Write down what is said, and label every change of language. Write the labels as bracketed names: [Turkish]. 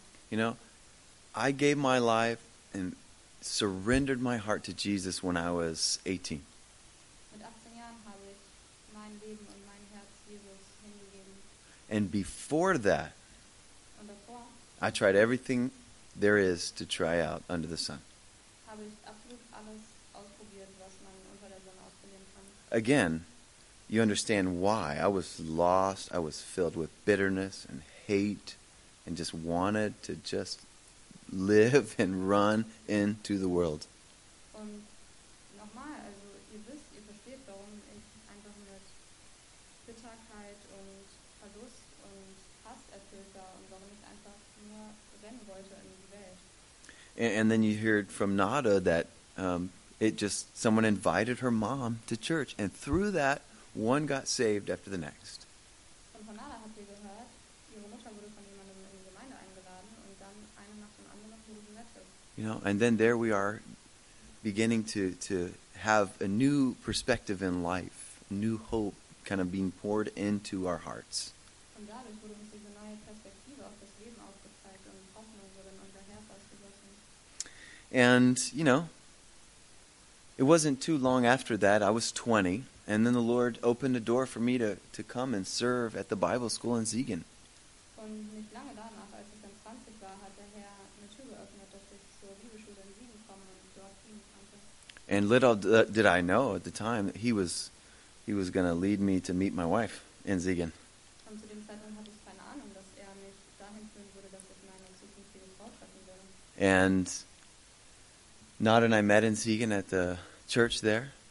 [English] You know, I gave my life and surrendered my heart to Jesus when I was 18. [German] Mit 18 Jahren habe ich mein Leben und mein Herz Jesus hingegeben. [English] And before that, [German] und davor, [English] I tried everything there is to try out under the sun. [German] Habe ich absolut alles ausprobiert, was man unter der Sonne ausprobieren kann. [English] Again, you understand why. I was lost. I was filled with bitterness and hate and just wanted to just live and run into the world. [German] Und nochmal, also ihr wisst, ihr versteht, warum ich einfach mit Bitterkeit und Verlust und Hass erfüllt war und warum ich einfach nur rennen wollte in die Welt. [English] And then you heard from Nada that it just, someone invited her mom to church, and through that, one got saved after the next. [German] Und von Nada habt ihr gehört, ihre Mutter wurde von jemandem in die Gemeinde eingeladen und dann eine nach dem anderen wurde sie gerettet. [English] You know, and then there we are beginning to have a new perspective in life, new hope kind of being poured into our hearts. [German] Und dadurch wurde uns diese neue Perspektive auf das Leben aufgezeigt und Hoffnung wurde in unser Herz ausgegossen. [English] And, you know, it wasn't too long after that, I was 20. And then the Lord opened a door for me to come and serve at the Bible school in Siegen. [German] Und nicht lange danach, als ich dann 20 war, hat der Herr eine Tür geöffnet, dass ich zur Bibelschule in Siegen kommen und dort dienen konnte. [English] And little did I know at the time that he was going to lead me to meet my wife in Siegen. [German] Und zu dem Zeitpunkt hatte ich keine Ahnung, dass er mich dahin führen würde, dass ich meine zukünftige Frau treffen würde. [English] And Nada and I met in Siegen at the church there.